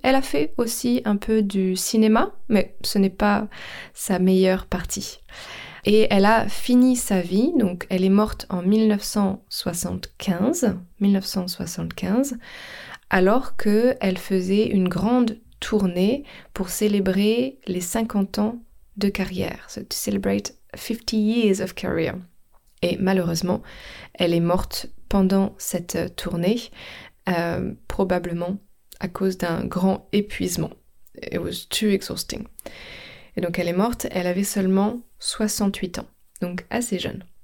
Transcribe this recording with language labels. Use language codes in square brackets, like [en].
[fr] Elle a fait aussi un peu du cinéma, mais ce n'est pas sa meilleure partie. Et elle a fini sa vie, donc elle est morte en 1975, alors qu'elle faisait une grande tournée pour célébrer les 50 ans de carrière. [en] So to celebrate 50 years of career. [fr] Et malheureusement, elle est morte pendant cette tournée, probablement à cause d'un grand épuisement. [en] It was too exhausting. [fr] Et donc elle est morte, elle avait seulement 68 ans, donc assez jeune.